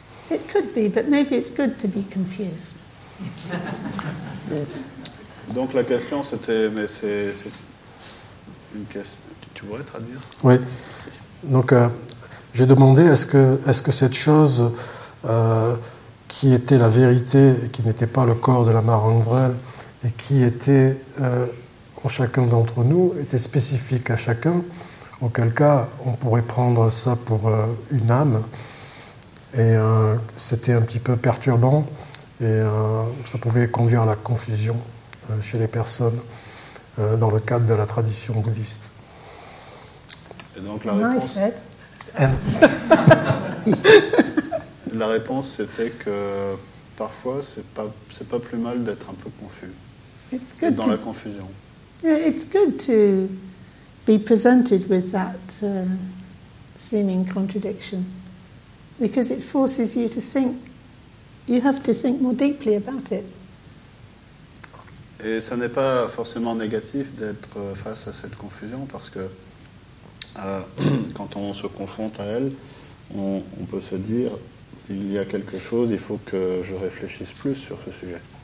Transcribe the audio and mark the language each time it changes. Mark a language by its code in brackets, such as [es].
[en] It could be, but maybe it's good to be confused. [fr] Donc la question c'était, mais c'est une question. Tu pourrais traduire? Oui. Donc j'ai demandé est-ce que cette chose qui était la vérité et qui n'était pas le corps de Lama Rangdrel et qui était en chacun d'entre nous était spécifique à chacun, auquel cas on pourrait prendre ça pour une âme et c'était un petit peu perturbant et ça pouvait conduire à la confusion chez les personnes dans le cadre de la tradition bouddhiste. Et donc la réponse... La réponse c'était que parfois c'est pas plus mal d'être un peu confus. [en] It's good [fr] dans la confusion. [en] Yeah, it's good to be presented with that seeming contradiction because it forces you to think. You have to think more deeply about it. [fr] Et ça n'est pas forcément négatif d'être face à cette confusion parce que quand on se confronte à elle, on peut se dire il y a quelque chose, il faut que je réfléchisse plus sur ce sujet.